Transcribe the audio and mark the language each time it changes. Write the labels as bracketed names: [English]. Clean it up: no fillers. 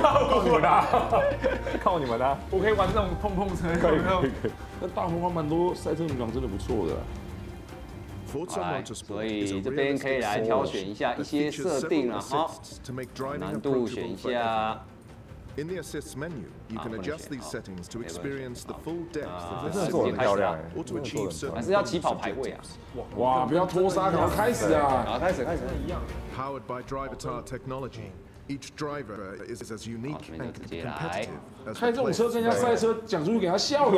[Chinese] 靠你们的，靠你们的。我可以玩这种碰碰车，可以可以。那大鹏湾蛮多赛车名港，真的不错的。来，所以这边可以来挑选一下一些设定了、啊、哈，难度选一下。 [English] In the assist menu, you can adjust these settings to experience the full depth of the [Chinese] system. 很漂亮，还是要起跑排位啊！哇，不要拖沙，赶快开始啊！好，开始，开始，一样。 [English] Powered by DriverTar technology. Each driver is as unique and competitive. [Chinese] 开这种车跟人家赛车讲出去给他笑的，